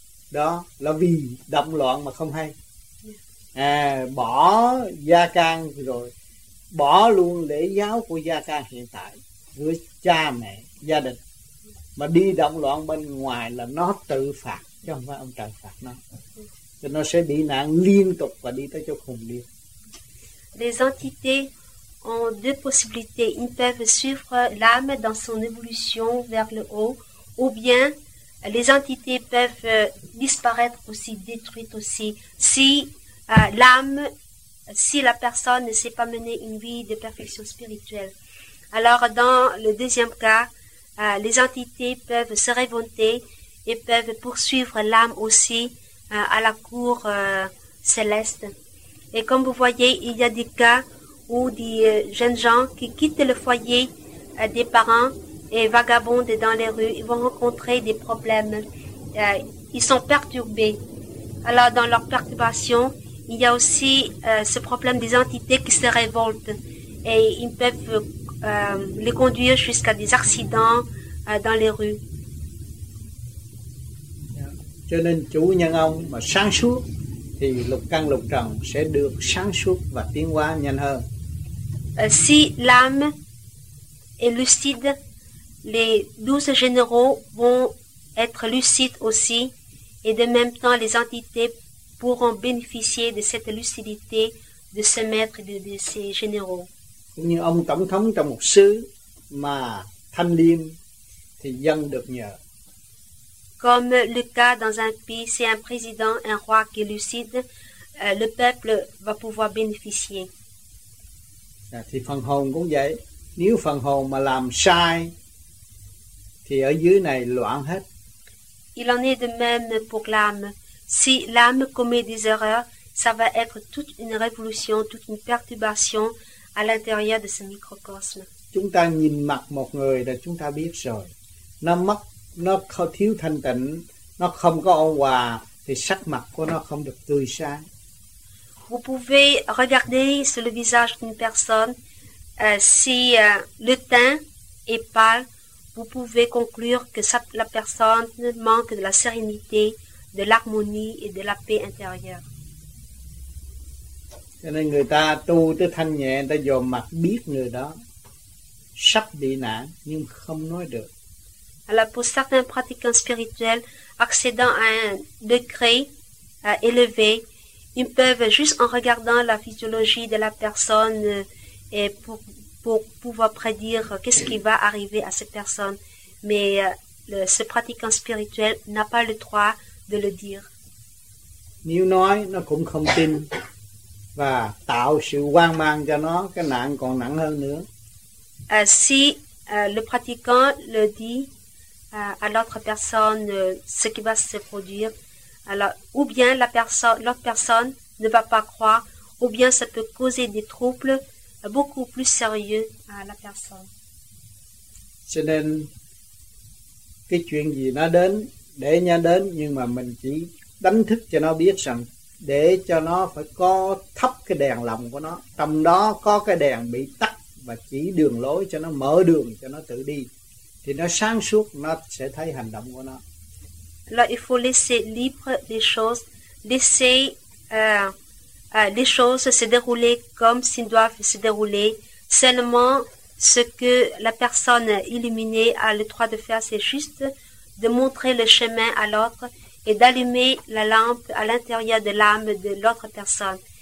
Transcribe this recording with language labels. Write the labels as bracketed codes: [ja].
[vi] Đó là vì động loạn mà không hay. Bỏ gia can rồi, bỏ luôn lễ giáo của gia can hiện tại với cha mẹ, gia đình, mà đi động loạn bên ngoài là nó tự phạt, chứ không phải ông trời phạt nó. Cho nó sẽ bị nạn liên tục và đi tới chỗ khùng điên. [fr] Les entités ont deux possibilités. Ils peuvent suivre l'âme dans son évolution vers le haut, ou bien les entités peuvent disparaître aussi, détruites aussi. Si l'âme, si la personne ne sait pas mener une vie de perfection spirituelle. Alors, dans le deuxième cas, les entités peuvent se révolter et peuvent poursuivre l'âme aussi à la cour céleste. Et comme vous voyez, il y a des cas où des jeunes gens qui quittent le foyer des parents et vagabondent dans les rues, ils vont rencontrer des problèmes. Ils sont perturbés. Alors, dans leur perturbation, il y a aussi ce problème des entités qui se révoltent et ils peuvent les conduire jusqu'à des accidents dans les rues. [vi] Cho nên chủ nhân ông mà sáng suốt thì lục căn lục trần sẽ được sáng suốt và tiến hóa nhanh hơn. [fr] Si l'âme est lucide, les 12 généraux vont être lucides aussi et de même temps les entités pourront bénéficier de cette lucidité de ce maître et de ses généraux. [vi] Cũng như ông tổng thống trong một xứ mà thanh liêm thì dân được nhờ. [fr] Comme le cas dans un pays, c'est un président, un roi qui est lucide, le peuple va pouvoir bénéficier. [vi] Thì phần hồn cũng vậy. Nếu phần hồn mà làm sai, thì ở dưới này loạn hết. [fr] Il en est de même pour l'âme. Si l'âme commet des erreurs, ça va être toute une révolution, toute une perturbation à l'intérieur de ce microcosme. [vi] Chúng ta nhìn mặt một người là chúng ta biết rồi. Nam mắt nó thiếu thanh tịnh, nó không có ôn hòa thì sắc mặt của nó không được tươi sáng. [fr] Vous pouvez regarder sur le visage d'une personne si le teint est pâle, vous pouvez conclure que la personne manque de la sérénité, de l'harmonie et de la paix intérieure. [vi] Cho nên người ta tu tới thanh nhẹ, người ta dòm mặt biết người đó sắp bị nạn nhưng không nói được. [fr] Alors, pour certains pratiquants spirituels accédant à un degré élevé, ils peuvent juste en regardant la physiologie de la personne et pour pouvoir prédire qu'est-ce qui va arriver à cette personne. Mais ce pratiquant spirituel n'a pas le droit de le dire. [vi] Nếu nói, nó cũng không tin và tạo sự hoang mang cho nó, cái nạn còn nặng hơn nữa. [fr] Si le pratiquant le dit à l'autre personne ce qui va se produire, alors ou bien l'autre personne ne va pas croire, ou bien ça peut causer des troubles beaucoup plus sérieux à la personne. [vi] Cho nên cái chuyện gì nó đến để nó đến, nhưng mà mình chỉ đánh thức cho nó biết rằng để cho nó phải có thắp cái đèn lòng của nó, trong đó có cái đèn bị tắt và chỉ đường lối cho nó, mở đường cho nó tự đi. Thì nó sáng suốt, nó sẽ thấy hành động của nó. [fr] Là, il faut laisser libre les choses, laisser les choses se dérouler comme s'ils doivent se dérouler. Seulement, ce que la personne illuminée a le droit de faire, c'est juste de montrer le chemin à l'autre et d'allumer la lampe à l'intérieur de l'âme de l'autre personne.